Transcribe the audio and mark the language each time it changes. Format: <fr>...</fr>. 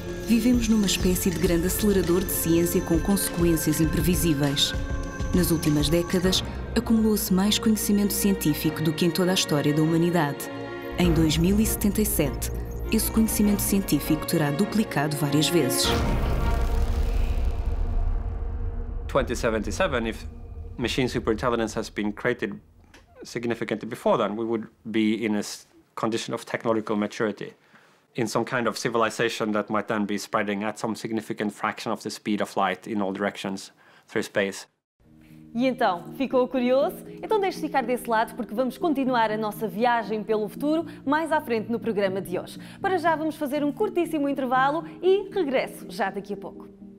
<pt>Vivemos numa espécie de grande acelerador de ciência com consequências imprevisíveis. Nas últimas décadas, acumulou-se mais conhecimento científico do que em toda a história da humanidade. Em 2077, esse conhecimento científico terá duplicado várias vezes.</pt> <en>2077, if machine superintelligence has been created significantly before then, we would be in a condition of technological maturity, in some kind of civilization that might then be spreading at some significant fraction of the speed of light in all directions through space.</en> <pt>E então, ficou curioso? Então deixe ficar desse lado porque vamos continuar a nossa viagem pelo futuro mais à frente no programa de hoje. Para já vamos fazer um curtíssimo intervalo e regresso já daqui a pouco.</pt>